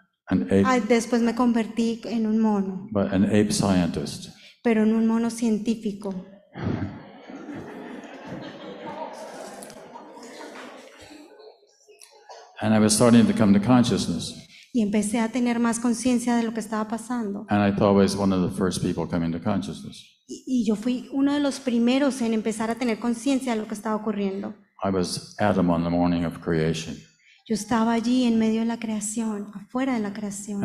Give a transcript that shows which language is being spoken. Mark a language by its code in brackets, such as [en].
[en] An ape. [es] Ah, después me convertí en un mono. [en] But an ape scientist. [es] Pero en un mono científico. [en] And I was starting to come to consciousness. [es] Y empecé a tener más conciencia de lo que estaba pasando. [en] And I thought I was one of the first people coming to consciousness. [es] Y yo fui uno de los primeros en empezar a tener conciencia de lo que estaba ocurriendo. [en] I was Adam on the morning of creation. [es] Yo estaba allí en medio de la creación, afuera de la creación.